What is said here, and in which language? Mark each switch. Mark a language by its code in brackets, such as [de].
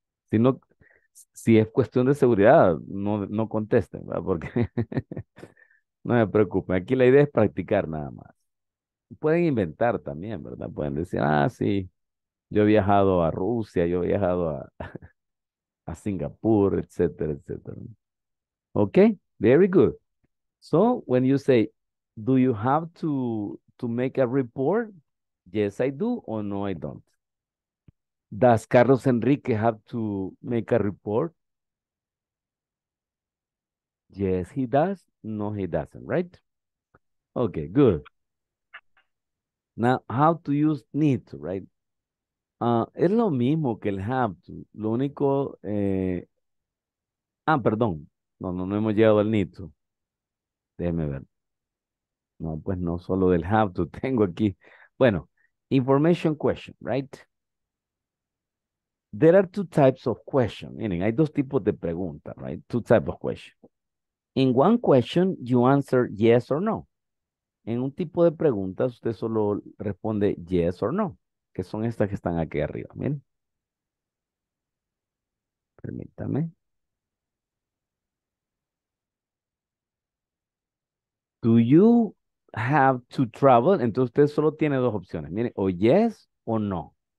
[es] Si no, si es cuestión de seguridad, no contesten, ¿verdad? Porque no me preocupen. Aquí la idea es practicar nada más. Pueden inventar también, ¿verdad? Pueden decir, ah, sí, yo he viajado a Rusia, yo he viajado a Singapur, etcétera, etcétera. [en] Okay, very good. So, when you say, do you have to make a report? Yes, I do, or no, I don't. Does Carlos Enrique have to make a report? Yes, he does. No, he doesn't, right? Okay, good. Now, how to use need to, right? [es] Es lo mismo que el have to, lo único, perdón, no hemos llegado al need to, déjeme ver, no, pues no solo del have to, tengo aquí, bueno, [en] information question, right? There are two types of question, meaning [es] hay dos tipos de pregunta, [en] right? Two types of question. In one question, you answer yes or no. [es] En un tipo de preguntas, usted solo responde [en] yes or no. [es] Que son estas que están aquí arriba, miren. Permítame. [en] Do you have to travel? [es] Entonces usted solo tiene dos opciones, miren, o yes o no.